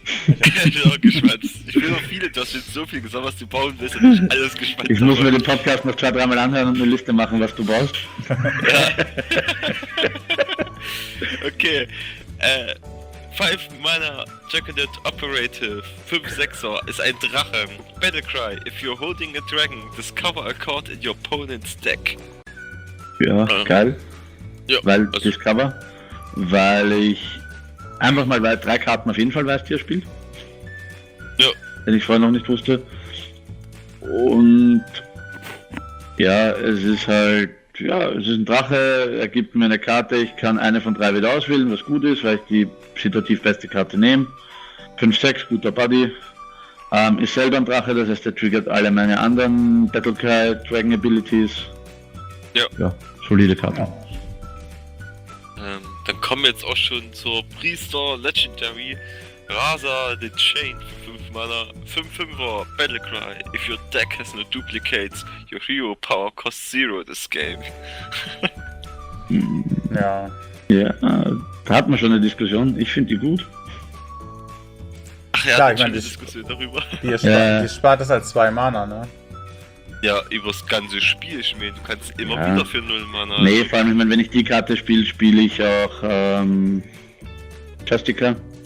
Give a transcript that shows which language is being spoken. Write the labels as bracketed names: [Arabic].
[German] Ich will noch viele, du hast jetzt so viel gesagt, was du bauen willst, und nicht alles geschwatzt. Ich muss mir den Podcast noch 2-3 Mal anhören und eine Liste machen, was du baust. Ja. Okay. 5 Mana Juggernaut Operative 5-6er ist ein Drachen. [English] Battlecry, if you're holding a dragon, discover a card in your opponent's deck. [German] Ja, geil. Ja, weil also discover. Weil ich einfach mal, weil 3 Karten auf jeden Fall weiß, die er spielt. Ja. Wenn ich vorher noch nicht wusste. Und ja, es ist halt. Ja, es ist ein Drache, er gibt mir eine Karte, ich kann eine von 3 wieder auswählen, was gut ist, weil ich die situativ beste Karte nehme. 5-6, guter Buddy. Ist selber ein Drache, das heißt, der triggert alle meine anderen Battlecry Dragon Abilities. Ja. Ja, solide Karte. Dann kommen wir jetzt auch schon zur Priester Legendary Raza the Chain für 5 Mana. 5-5er Battlecry. [English] If your deck has no duplicates, your hero power costs 0 this game. [German] Ja. Ja, da hatten wir schon eine Diskussion. Ich finde die gut. Ach ja, ich meine, Diskussion darüber. Die spart das als 2 Mana, ne? Ja, übers ganze Spiel, ich meine, du kannst immer wieder für 0 Mana. Nee, vor allem, ich meine, wenn ich die Karte spiele, spiele ich auch Justica.